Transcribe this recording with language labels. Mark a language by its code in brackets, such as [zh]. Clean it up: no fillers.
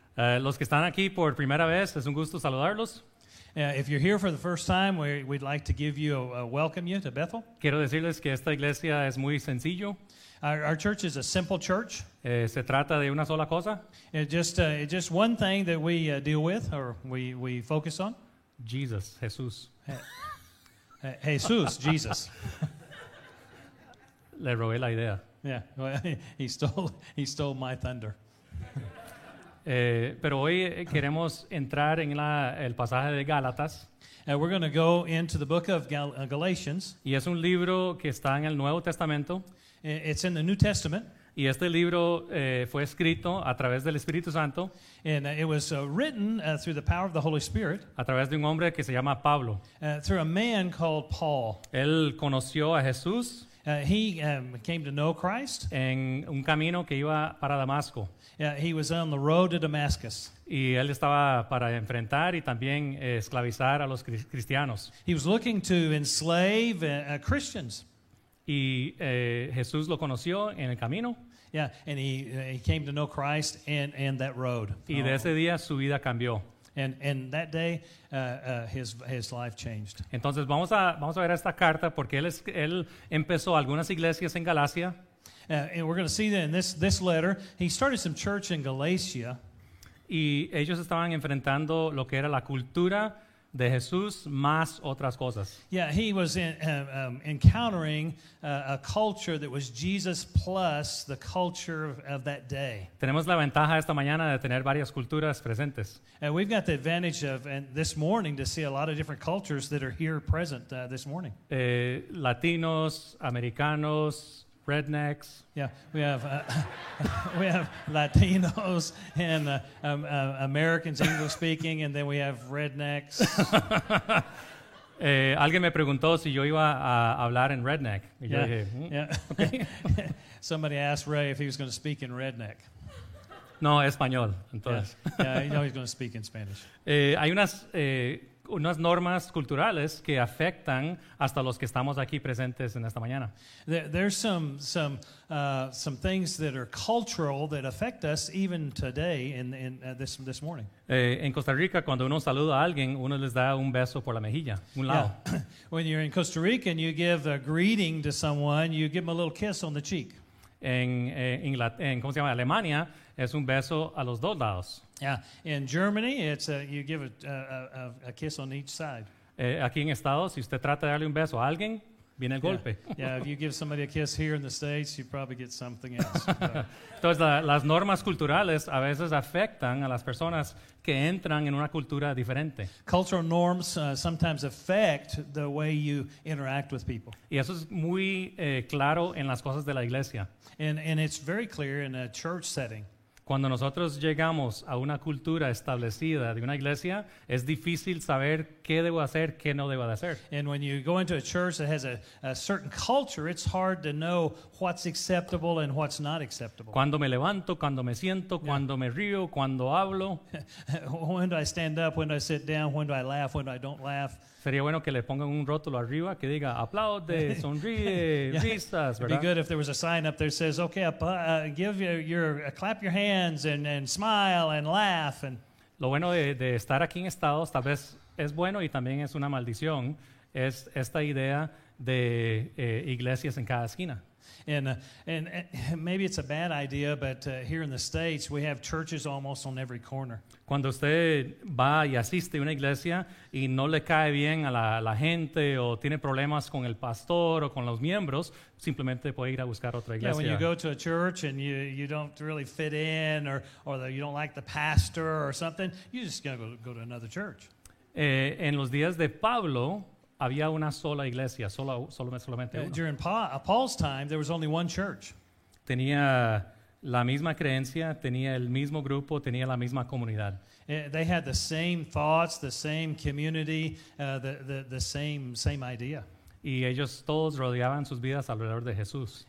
[es] Los que están aquí por primera vez, es un gusto saludarlos. [en] If you're here for the first time, we'd like to give you a welcome you to Bethel. [es] Quiero decirles que esta iglesia es muy sencillo. [en] Our church is a simple church. [es] Se trata de una sola cosa. [en] Just one thing that we deal with or we focus on. Jesus, Jesús. [es] Jesús, Jesus. Le robé la idea. [en] Yeah, well, he stole my thunder. [es] Pero hoy queremos entrar en el pasaje de Gálatas. [en] We're going to go into the book of Galatians. [es] Y es un libro que está en el Nuevo Testamento. [en] It's in the New Testament. [es] Y este libro fue escrito a través del Espíritu Santo. [en] And it was written through the power of the Holy Spirit. [es] A través de un hombre que se llama Pablo. [en] Through a man called Paul. [es] Él conoció a Jesús. [en] He came to know Christ. [es] En un camino que iba para Damasco. [en] Yeah, he was on the road to Damascus. [es] Y él estaba para enfrentar y también esclavizar a los cristianos. [en] He was looking to enslave Christians. [es] Y Jesús lo conoció en el camino. [en] Yeah, and he came to know Christ and that road. [es] Y de ese día su vida cambió. [en] And that day his life changed. [es] Entonces vamos a ver esta carta porque él empezó algunas iglesias en Galacia. [en] And we're going to see that in this letter he started some church in Galacia. [es] Y ellos estaban enfrentando lo que era la cultura de Jesús más otras cosas. [en] Yeah, he was encountering a culture that was Jesus plus the culture of that day. [es] Tenemos la ventaja esta mañana de tener varias culturas presentes. [en] And we've got the advantage of this morning to see a lot of different cultures that are here present this morning. [es] Latinos, americanos, rednecks. [en] Yeah, we have we have Latinos and Americans, English speaking, and then we have rednecks. [es] Alguien me preguntó si yo iba a hablar en redneck. Y yeah. Yo dije, yeah. [en] Okay. Somebody asked Ray if he was going to speak in redneck. [es] No, español. Entonces. [en] Yeah, you know he's going to speak in Spanish. [es] Hay unas normas culturales que afectan hasta los que estamos aquí presentes en esta mañana. [en] There's some things that are cultural that affect us even today this morning. [es] En Costa Rica, cuando uno saluda a alguien, uno les da un beso por la mejilla, un lado. [en] Yeah. When you're in Costa Rica and you give a greeting to someone, you give them a little kiss on the cheek. [es] ¿Cómo se llama? Alemania, es un beso a los dos lados. [en] Yeah, in Germany, it's you give a kiss on each side. [es] Aquí en Estados, si usted trata de darle un beso a alguien, viene el golpe. [en] Yeah, if you give somebody a kiss here in the States, you probably get something else. [es] Entonces, las normas culturales a veces afectan a las personas que entran en una cultura diferente. [en] Cultural norms sometimes affect the way you interact with people. [es] Y eso es muy claro en las cosas de la iglesia. [en] And it's very clear in a church setting. [es] Cuando nosotros llegamos a una cultura establecida de una iglesia, es difícil saber qué debo hacer, qué no debo de hacer. [en] And when you go into a church that has a certain culture, it's hard to know what's acceptable and what's not acceptable. [es] Cuando me levanto, cuando me siento, cuando me río, cuando hablo. [en] When do I stand up, when do I sit down, when do I laugh, when do I don't laugh. [es] Sería bueno que le pongan un rótulo arriba que diga aplaude, sonríe, risas, ¿verdad? [en] It'd be good if there was a sign up there that says, okay, give your clap your hands and smile and laugh. And [es] lo bueno de estar aquí en Estados, tal vez es bueno y también es una maldición, es esta idea de iglesias en cada esquina. [en] And maybe it's a bad idea, but here in the States, we have churches almost on every corner. [es] Cuando usted va y asiste a una iglesia y no le cae bien a la gente o tiene problemas con el pastor o con los miembros, simplemente puede ir a buscar otra iglesia. [en] Yeah, when you go to a church and you don't really fit in or you don't like the pastor or something, you're just going to go to another church. [es] En los días de Pablo, había una sola iglesia, solamente una. [en] During Paul's time, there was only one church. [es] Tenía la misma creencia, tenía el mismo grupo, tenía la misma comunidad. [en] They had the same thoughts, the same community, the same idea. [es] Y ellos todos rodeaban sus vidas alrededor de Jesús.